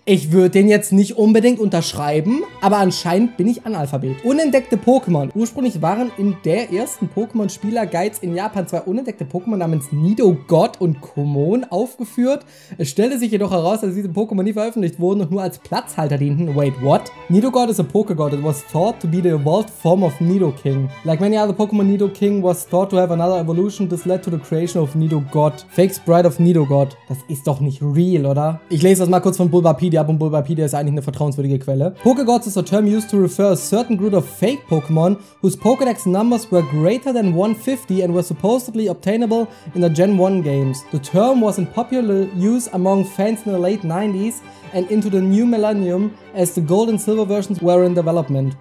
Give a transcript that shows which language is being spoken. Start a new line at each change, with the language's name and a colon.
German: Ich würde den jetzt nicht unbedingt unterschreiben, aber anscheinend bin ich Analphabet. Unentdeckte Pokémon. Ursprünglich waren in der ersten Pokémon-Spieler-Guides in Japan 2 unentdeckte Pokémon namens Nidogod und Kumon aufgeführt. Es stellte sich jedoch heraus, dass diese Pokémon nie veröffentlicht wurden und nur als Platzhalter dienten.
English: Wait, what? Nidogod is a Pokégod. It was thought to be the evolved form of Nidoking. Like many other Pokémon, Nidoking was thought to have another evolution. This led to the creation of Nidogod. Fake Sprite of Nidogod.
German: Das ist doch nicht real, oder? Ich lese das mal kurz von Bulbapedia ab und Bulbapedia ist eigentlich eine vertrauenswürdige Quelle.
English: Pokégods is a term used to refer a certain group of fake Pokémon whose Pokédex numbers were greater than 150 and were supposedly obtainable in the Gen 1 games. The term was in popular use among fans in the late 90s and into the new millennium as the gold and silver versions were in development.